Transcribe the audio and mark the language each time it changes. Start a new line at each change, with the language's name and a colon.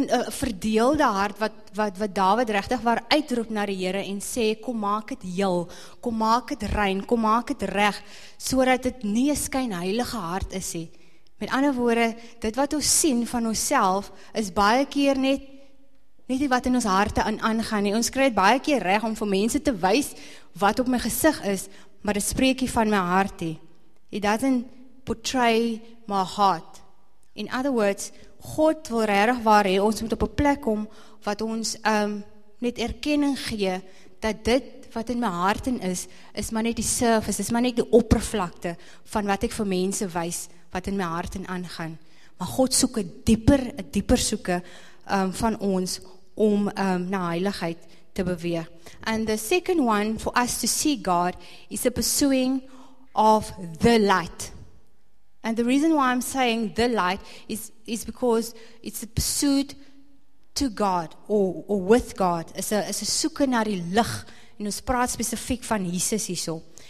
Afrikaans: verdeelde hart wat David regtig waar uitroep na die Here en sê, kom maak het heel, kom maak het rein, kom maak het reg, sodat het nie een skynheilige hart is nie. Met ander woorde, dit wat ons sien van onsself is baie keer net die wat in ons harte aangaan nie. Ons kry het baie keer reg om vir mense te wys wat op my gesig is, maar dit spreek nie van my hart nie.
English: It doesn't portray my heart. In other words,
Afrikaans: God wil regtig waar hê, ons moet op 'n plek kom wat ons net erkenning gee dat dit wat in my hart in is, is maar net die surface, is maar net die oppervlakte van wat ek vir mense wys wat in my hart in aangaan. Maar God soek 'n dieper soeke van ons om na heiligheid te beweeg.
English: And the second one for us to see God is the pursuing of the light. And the reason why I'm saying the light is because it's a pursuit to God or with God. It's a
Afrikaans: soeke na die lig. En ons praat spesifiek van Jesus hierso.